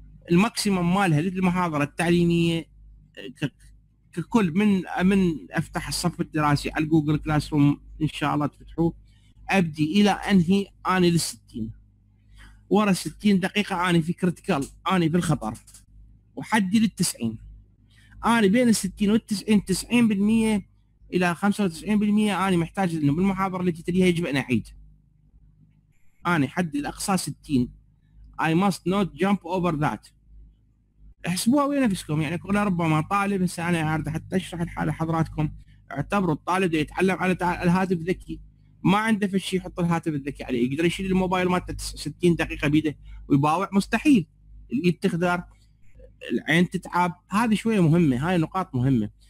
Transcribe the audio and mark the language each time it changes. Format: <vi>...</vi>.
<ar>الماكسيمم مالها للمحاضره التعليميه ككل من افتح الصف الدراسي على جوجل كلاس روم ان شاء الله تفتحوه ابدي الى انهي انا للستين ورا 60 دقيقة أنا في كريتيكال أنا بالخطر وحدي للتسعين أنا بين 60 والتسعين 90% إلى 95% أنا محتاج إنه بالمحاضرة التي تليها يجب أن أعيد. أنا حدي الأقصى 60</ar> <en>I must not jump over that.</en> <ar>احسبوها ويا نفسكم يعني كل ربما طالب هسه أنا عارض حتى أشرح الحالة حضراتكم اعتبروا الطالب ده يتعلم على الهاتف ذكي ما عنده في الشيء يحط الهاتف الذكي عليه يقدر يشيل الموبايل مالته 60 دقيقة بيده ويباوع مستحيل. اليد تخدر العين تتعب هذه شوية مهمة هاي نقاط مهمة.</ar>